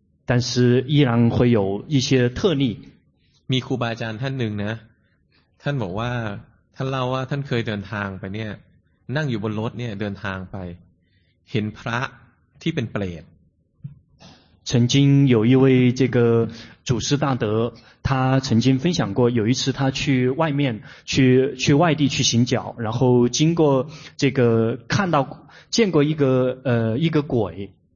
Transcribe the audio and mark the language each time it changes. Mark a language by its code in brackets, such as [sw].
[zh] 但是依然会有一些特例 [th] มีครูบาอาจารย์ท่านหนึ่งนะท่านบอกว่าท่านเล่าว่าท่านเคยเดินทางไปเนี่ยนั่งอยู่บนรถเนี่ยเดินทางไปเห็นพระที่เป็นเปรต [zh] 曾经有一位这个祖师大德他曾经分享过有一次他去外面去外地去行脚然后经过这个看到见过一个鬼